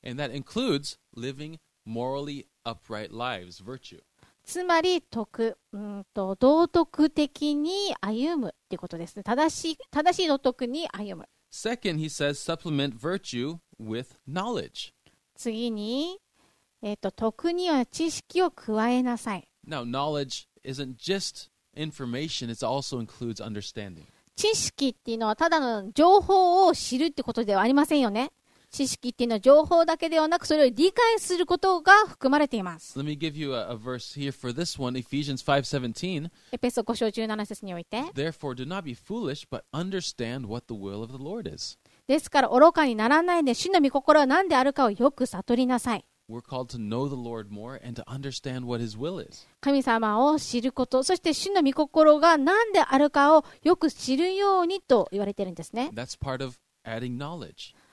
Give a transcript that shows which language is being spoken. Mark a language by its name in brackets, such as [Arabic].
[English] And that includes living morally upright lives, virtue. [Japanese] つまり徳、道徳的に歩むっていうことですね。正しい道徳に歩む。 [English] Second, he says, supplement virtue with knowledge. [Japanese] 次に、徳には知識を加えなさい。 [English] Now, knowledge isn't just information, it also includes understanding. [Japanese] 知識っていうのはただの情報を知るってことではありませんよね。知識っていうのは情報だけではなく、それを理解することが含まれています。 [English] Let me give you a verse here for this one, Ephesians 5:17. [Japanese] エペソ5章17節において。 [English] Therefore, do not be foolish, but understand what the will of the Lord is. [Japanese] ですから、愚かにならないで、主の御心は何であるかをよく悟りなさい。 [English] We're called to know the Lord more and to understand what His will is. [Japanese] 神様を知ること、そして主の御心が何であるかをよく知るようにと言われているんですね。 [English] That's part of adding knowledge.